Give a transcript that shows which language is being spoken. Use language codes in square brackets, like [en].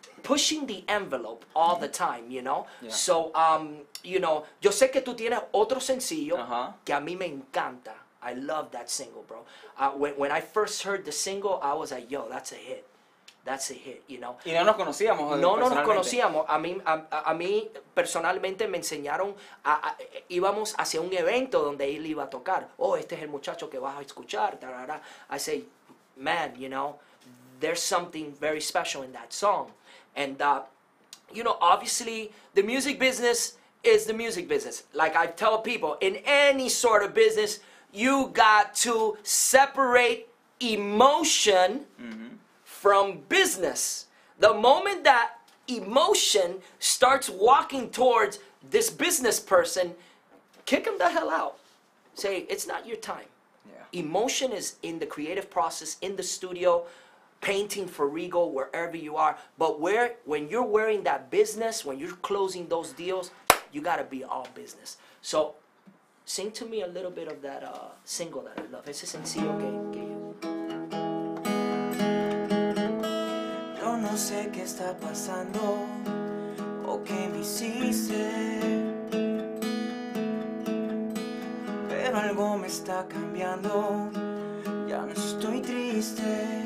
[en] Pushing the envelope all the time, you know? Yeah. So, you know, [es] yo sé que tú tienes otro sencillo que a mí me encanta. [en] I love that single, bro. When I first heard the single, I was like, yo, that's a hit. That's a hit, you know? [es] Y no nos conocíamos. No nos conocíamos. A mí personalmente me enseñaron, íbamos hacia un evento donde él iba a tocar. Oh, este es el muchacho que vas a escuchar. Tarara. [en] I say, man, you know, there's something very special in that song. And, you know, obviously, the music business is the music business. Like I tell people, in any sort of business, you got to separate emotion from business. The moment that emotion starts walking towards this business person, kick him the hell out. Say, it's not your time. Yeah. Emotion is in the creative process, in the studio, painting for Regal, wherever you are. But when you're wearing that business, when you're closing those deals, you got to be all business. So sing to me a little bit of that single that I love. [es] Ese sencillo que yo. Yo no sé qué está pasando o qué me hiciste, pero algo me está cambiando. Ya no estoy triste.